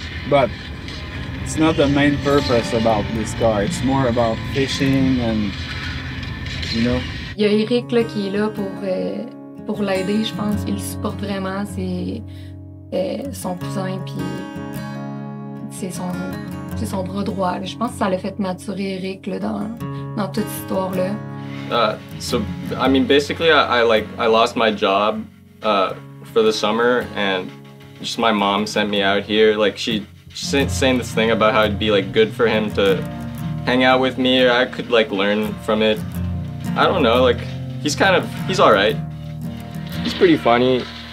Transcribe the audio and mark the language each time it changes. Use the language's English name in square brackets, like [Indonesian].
[English] But it's not the main purpose about this car. It's more about fishing and, you know. [French] Il y a Eric là qui est là pour l'aider. Je pense qu'il supporte vraiment. C'est son cousin puis c'est son bras droit. Là. Je pense que ça l'a fait maturer Eric là dans toute cette histoire là. [English] So I mean, basically, I lost my job for the summer, and just my mom sent me out here. Like she's saying this thing about how it'd be like good for him to hang out with me, or I could like learn from it. I don't know, like, he's all right. He's pretty funny.